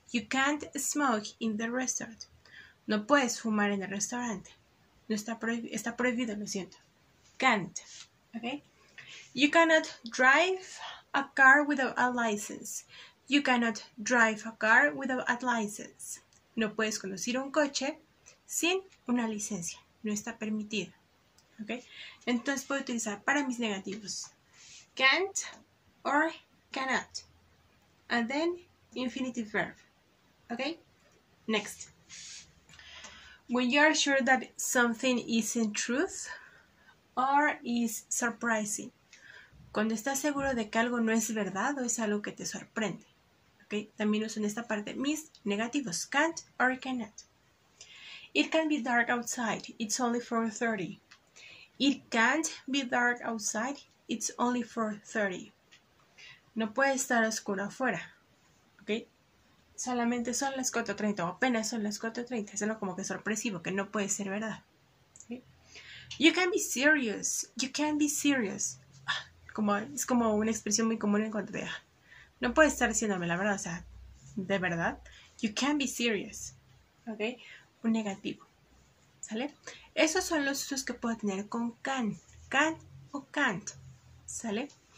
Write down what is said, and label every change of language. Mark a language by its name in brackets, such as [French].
[English] You can't smoke in the restaurant. [Spanish] No puedes fumar en el restaurante. No está prohibido. Está prohibido, lo siento. Can't. Okay. [English] You cannot drive a car without a license. You cannot drive a car without a license. [Spanish] No puedes conducir un coche sin una licencia. No está permitido. Okay? Entonces puedo utilizar para mis negativos. [English] Can't or cannot. And then infinitive verb. Okay? Next. When you are sure that something isn't truth or is surprising. [Spanish] Cuando estás seguro de que algo no es verdad o es algo que te sorprende. Okay. También uso en esta parte mis negativos, can't or cannot. [English] It can be dark outside, it's only 4:30. It can't be dark outside, it's only 4:30. [Spanish] No puede estar oscuro afuera, ok. Solamente son las 4:30, o apenas son las 4:30. Es algo como que sorpresivo, que no puede ser verdad. [English] Okay. You can be serious, you can be serious. [Spanish] Como, es como una expresión muy común en cuanto a... No puedes estar diciéndome la verdad, o sea, de verdad. [English] You can be serious, ¿ok? [Spanish] Un negativo, ¿sale? Esos son los usos que puedo tener con can, can o can't, ¿sale?